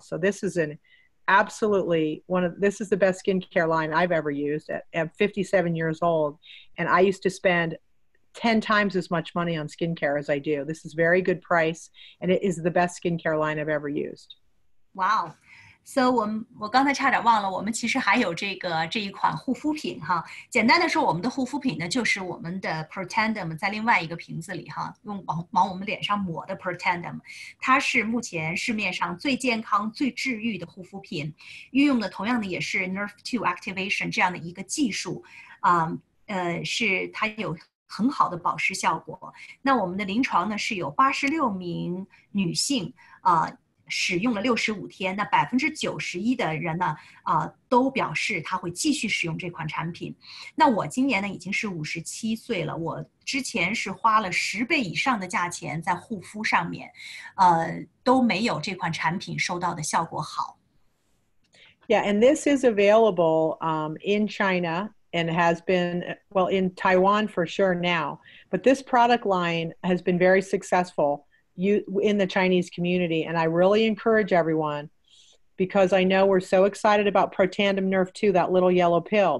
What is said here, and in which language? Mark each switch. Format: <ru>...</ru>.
<en>So this is an absolutely one of, this is the best skincare line I've ever used at 57 years old. And I used to spend 10 times as much money on skincare as I do. This is very good price, and it is the best skincare line I've ever used. Wow.</en> <zh>So 我刚才差点忘了，我们其实还有这个这一款护肤品哈。简单的说，我们的护肤品呢，就是我们的Protandem，在另外一个瓶子里哈，用往我们脸上抹的Protandem，它是目前市面上最健康、最治愈的护肤品，运用的同样的也是 Nrf2 Activation 这样的一个技术，是它有很好的保湿效果。那我们的临床呢，是有86名女性使用了65天，那91%的人呢都表示他会继续使用这款产品。那我今年呢已经是57岁了，我之前是花了10倍以上的价钱在护肤上面，都没有这款产品收到的效果好。</zh> <en>Yeah, and this is available in China and has been, well, in Taiwan for sure now. But this product line has been very successful in the Chinese community. And I really encourage everyone because I know we're so excited about protandim nerve 2, that little yellow pill.</en>